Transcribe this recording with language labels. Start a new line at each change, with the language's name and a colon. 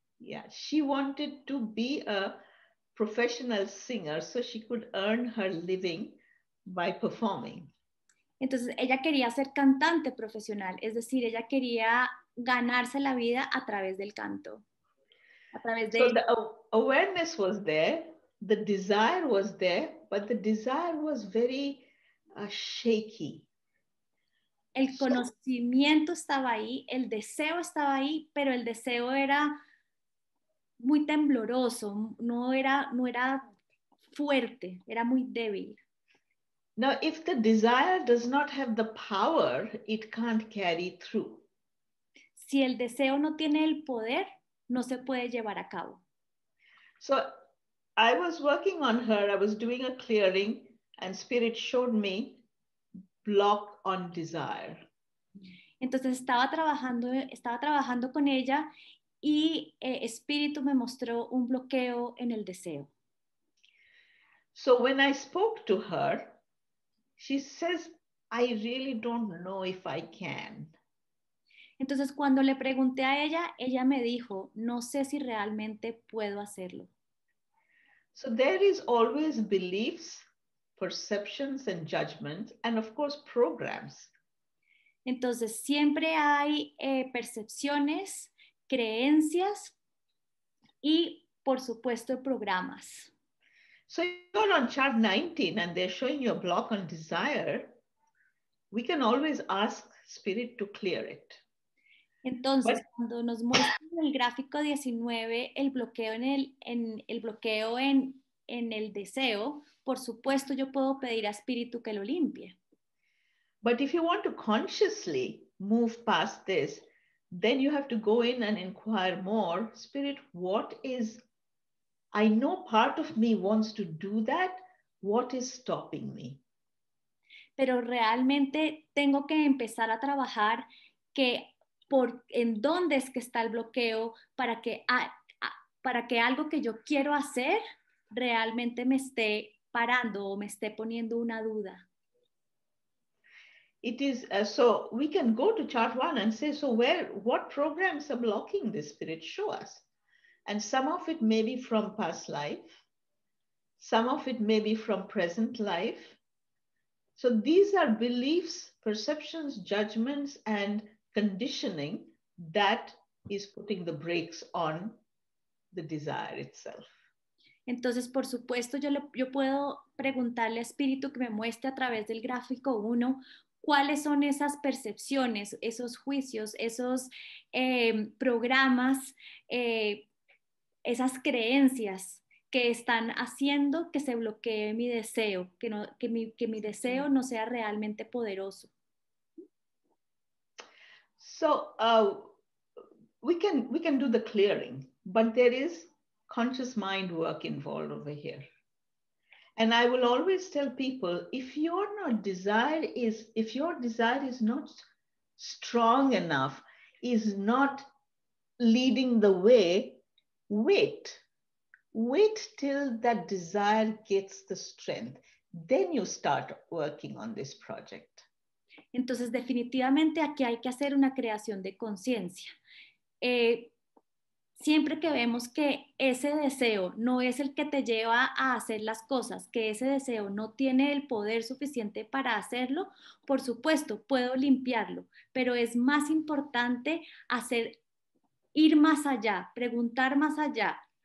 English: Yeah, she wanted to be a professional singer so she could earn her living by performing.
Spanish: Entonces, ella quería ser cantante profesional, es decir, ella quería ganarse la vida a través del canto.
English: The awareness was there, the desire was there, but the desire was very shaky.
Spanish: El conocimiento estaba ahí, el deseo estaba ahí, pero el deseo era muy tembloroso, no era fuerte, era muy débil.
English: Now, if the desire does not have the power, it can't carry through.
Spanish: Si el deseo no tiene el poder, no se puede llevar a cabo.
English: So, I was working on her, I was doing a clearing, and Spirit showed me block on desire.
Spanish: Entonces, estaba trabajando con ella, y Espíritu me mostró un bloqueo en el deseo.
English: So, when I spoke to her, she says, I really don't know if I can.
Spanish: Entonces, cuando le pregunté a ella, ella me dijo, no sé si realmente puedo hacerlo.
English: So there is always beliefs, perceptions, and judgments, and of course, programs.
Spanish: Entonces, siempre hay percepciones, creencias, y por supuesto, programas.
English: So you're on chart 19 and they're showing you a block on desire, we can always ask Spirit to clear it.
Spanish: Entonces, cuando nos muestran el gráfico 19, el bloqueo en el deseo, por supuesto yo puedo pedir a Espíritu que lo limpie.
English: But if you want to consciously move past this, then you have to go in and inquire more, Spirit, what is... I know part of me wants to do that. What is stopping me?
Spanish: Pero realmente tengo que empezar a trabajar que por en dónde es que está el bloqueo para que algo que yo quiero hacer realmente me esté parando o me esté poniendo una duda.
English: It is so we can go to chart one and say, so where what programs are blocking this, Spirit? Show us. And some of it may be from past life. Some of it may be from present life. So these are beliefs, perceptions, judgments, and conditioning that is putting the brakes on the desire itself.
Spanish: Entonces, por supuesto, yo puedo preguntarle a Espíritu que me muestre a través del gráfico 1 cuáles son esas percepciones, esos juicios, esos programas, esas creencias que están haciendo que se bloquee mi deseo, que, no, que mi deseo no sea realmente poderoso.
English: So we can do the clearing, but there is conscious mind work involved over here. And I will always tell people, if your desire is not strong enough, is not leading the way, wait till that desire gets the strength, then you start working on this project.
Spanish: Entonces, definitivamente aquí hay que hacer una creación de conciencia. Siempre que vemos que ese deseo no es el que te lleva a hacer las cosas, que ese deseo no tiene el poder suficiente para hacerlo, por supuesto, puedo limpiarlo, pero es más importante hacer, ir más allá, preguntar más allá,